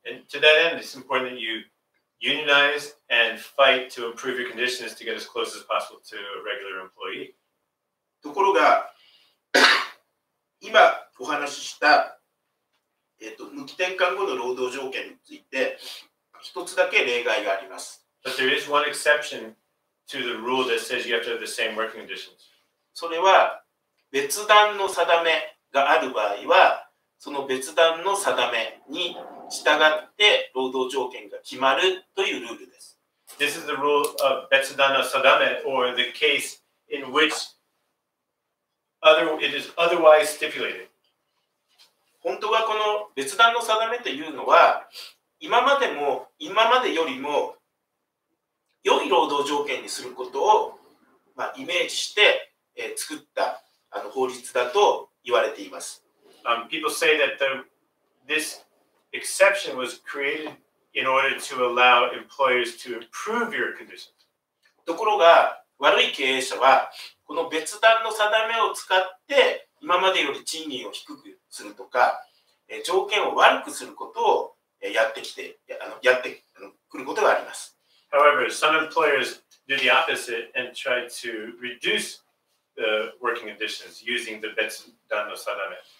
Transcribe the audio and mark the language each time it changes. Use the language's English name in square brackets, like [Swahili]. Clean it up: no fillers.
[English] And to that end, it's important that you unionize and fight to improve your conditions to get as close as possible to a regular employee. [Japanese] ところが今お話しした無期転換後の労働条件について一つだけ例外があります。 [English] But there is one exception to the rule that says you have to have the same working conditions. [Japanese] それは別段の定めがある場合はその別段の定めに従って労働条件が決まるというルールです。 [English] This is the rule of 別段の定め or the case in which it is otherwise stipulated. [Japanese] 本当はこの別段の定めというのは今までも今までよりも良い労働条件にすることを、まあ、イメージして、作ったあの法律だと言われています。 [English] People say that this exception was created in order to allow employers to improve your conditions. [Japanese] ところが、悪い経営者は、この別段の定めを使って、今までより賃金を低くするとか、条件を悪くすることをやってきて、やってくることがあります。 [English] However, some employers do the opposite and try to reduce the working conditions using the 別段の定め。